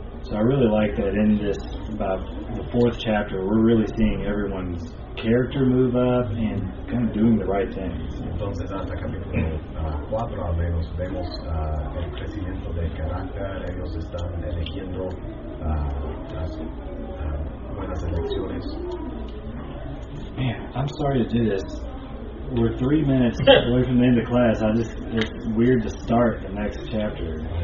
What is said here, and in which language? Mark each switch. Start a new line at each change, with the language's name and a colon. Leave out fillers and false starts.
English: So I really like that in this, about the fourth chapter, we're really seeing everyone's character move up and kind of doing the right things.
Spanish: Entonces, hasta capítulo 4, al menos, vemos el crecimiento de carácter. Ellos están eligiendo las buenas elecciones.
English: Man, I'm sorry to do this. We're 3 minutes away from the end of class. It's weird to start the next chapter.